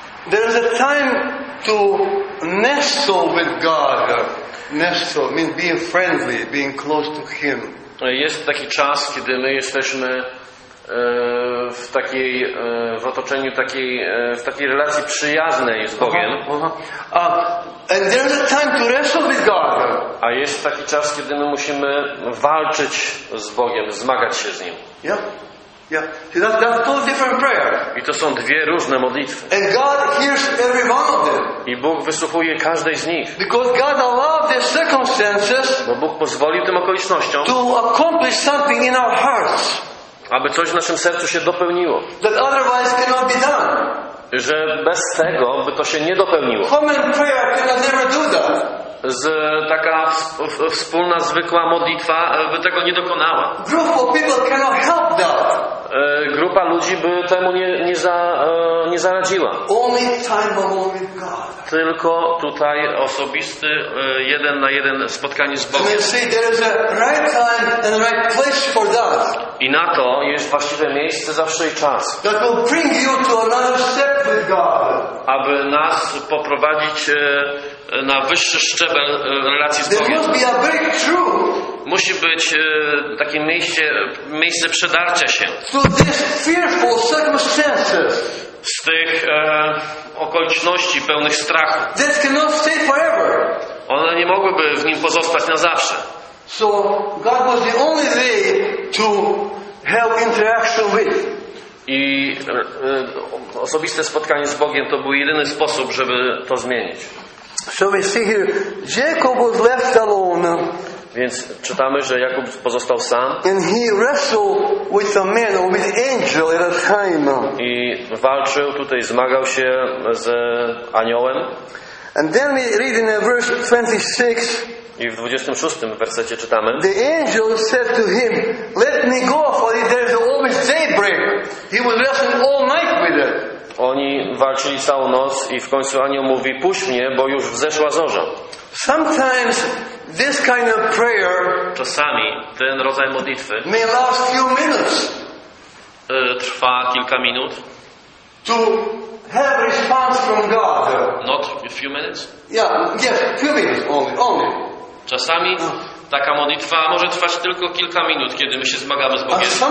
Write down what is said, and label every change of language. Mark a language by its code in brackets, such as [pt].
[en] There is a time to nestle with God. Nestle means being friendly, being close to Him. [pl] Jest taki czas, kiedy my jesteśmy w takiej w otoczeniu takiej w takiej relacji przyjaznej z Bogiem. [en] And there is a time to wrestle with God. [pl] A jest taki czas, kiedy my musimy walczyć z Bogiem, zmagać się z Nim. [en] Yeah. That's two different prayers. [pl] I to są dwie różne modlitwy. [en] And God hears every one of them. [pl] I Bóg wysłuchuje każdej z nich. [en] Because God allowed the circumstances. [pl] Bo Bóg pozwolił tym okolicznościom. [en] To accomplish something in our hearts. [pl] Aby coś w naszym sercu się dopełniło. [en] That otherwise cannot be done. [pl] Że bez tego by to się nie dopełniło. [en] Common prayer cannot ever do that. [pl] Z taka wspólna, zwykła modlitwa by tego nie dokonała. [en] Group of people cannot help that. [pl] Grupa ludzi by temu nie zaradziła. [en] Only time alone with God. [pl] Tylko tutaj osobisty, jeden na jeden spotkanie z Bogiem. [en] And you see, there is a right time and a right place for that. [pl] I na to jest właściwe miejsce zawsze i czas. [en] That will bring you to another step with God. [pl] Aby nas poprowadzić na wyższy szczebel relacji z Bogiem. [en] There must be a very true. [pl] Musi być takie miejsce przedarcia się. [en] To these fearful circumstances. [pl] Z tych okoliczności pełnych strachu. [en] That cannot stay forever. [pl] One nie mogłyby w nim pozostać na zawsze. [en] So God was the only way to help interaction with. [pl] I osobiste spotkanie z Bogiem to był jedyny sposób, żeby to zmienić. [en] So we see here, Jacob was left alone. [pl] Więc czytamy, że Jakub pozostał sam. [en] And he wrestled with a man, with angel at a time. [pl] I walczył tutaj, zmagał się z aniołem. [en] And then we read in verse 26. [pl] I w 26 wersecie czytamy. [en] The angel said to him, "Let me go, for there is always daybreak." He was wrestling all night with it. [pl] Oni walczyli całą noc i w końcu anioł mówi: "Puść mnie, bo już wzeszła zorza." [en] Sometimes this kind of prayer, [pl] czasami ten rodzaj modlitwy, [en] may last few minutes. [pl] Trwa kilka minut. [en] To have response from God. Not a few minutes? Yeah, yes, few minutes only. [pl] Czasami taka modlitwa może trwać tylko kilka minut, kiedy my się zmagamy z Bogiem.